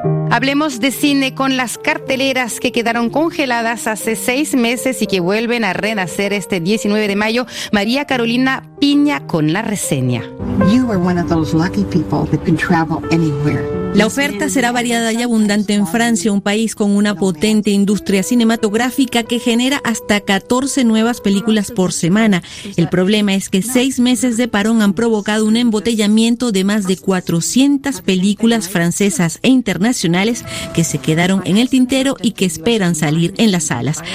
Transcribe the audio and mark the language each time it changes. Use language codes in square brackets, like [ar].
[es] Hablemos de cine con las carteleras que quedaron congeladas hace 6 meses y que vuelven a renacer este 19 de mayo. María Carolina Piña con la reseña. [en] You are one of those lucky people that can travel anywhere. [es] La oferta será variada y abundante en Francia, un país con una potente industria cinematográfica que genera hasta 14 nuevas películas por semana. El problema es que 6 meses de parón han provocado un embotellamiento de más de 400 películas francesas e internacionales que se quedaron en el tintero y que esperan salir en las salas.